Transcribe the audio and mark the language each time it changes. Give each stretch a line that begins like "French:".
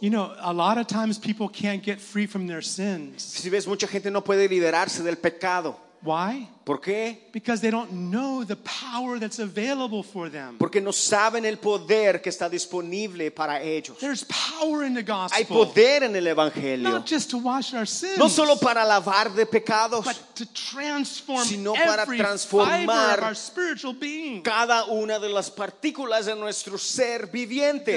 English: You know, a lot of times people can't get free from their sins.
Spanish: Si ves, mucha gente no puede liberarse del pecado.
English: Why?
Spanish: ¿Por qué?
English: Because they don't know the power that's available for them.
Spanish: Porque no saben el poder que está disponible para ellos.
English: There's power in the gospel.
Spanish: Hay poder en el evangelio.
English: Not just to wash our sins.
Spanish: No solo para lavar de pecados.
English: But to transform
Spanish: sino para transformar
English: every fiber of our spiritual being.
Spanish: Cada una de las partículas de nuestro ser viviente.